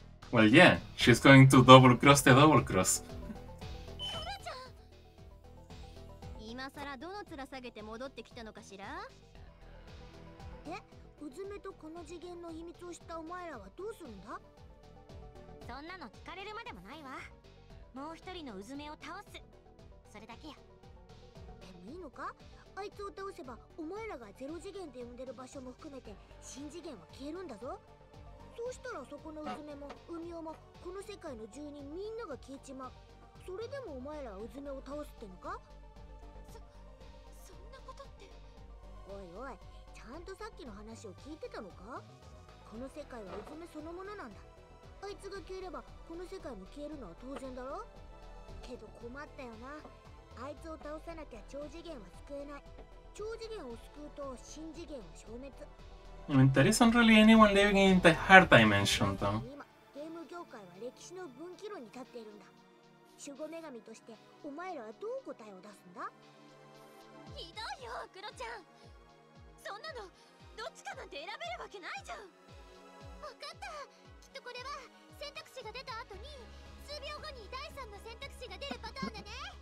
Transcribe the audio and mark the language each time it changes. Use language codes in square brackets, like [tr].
[en] Well, yeah, she's going to double cross the double cross. [ja] どの面下げて戻ってきたのかしら？え、うずめとこの次元の秘密を知ったお前らはどうするんだ？そんなの聞かれるまでもないわ。もう一人のうずめを倒す。それだけや。でもいいのか？あいつを倒せばお前らがゼロ次元で呼んでる場所も含めて新次元は消えるんだぞ。そうしたらそこのうずめも海尾もこの世界の住人みんなが消えちまう。それでもお前らはうずめを倒すってのか？おいおい、ちゃんとさっきの話を聞いてたのか？この世界はうずめそのものなんだ。あいつが消えればこの世界も消えるのは当然だろ。けど困ったよな。あいつを倒さなきゃ超次元は救えない。超次元を救うと新次元は消滅。 [en] There isn't really anyone living in the hard dimension, though. [ja] 今、ゲーム業界は歴史の分岐路に立っているんだ。守護女神としてお前らはどう答えを出すんだ？ひどいよ、クロちゃん。そんなの、どっちかなんて選べるわけないじゃん。わかった。きっとこれは、選択肢が出た後に、数秒後に第三の選択肢が出るパターンだね。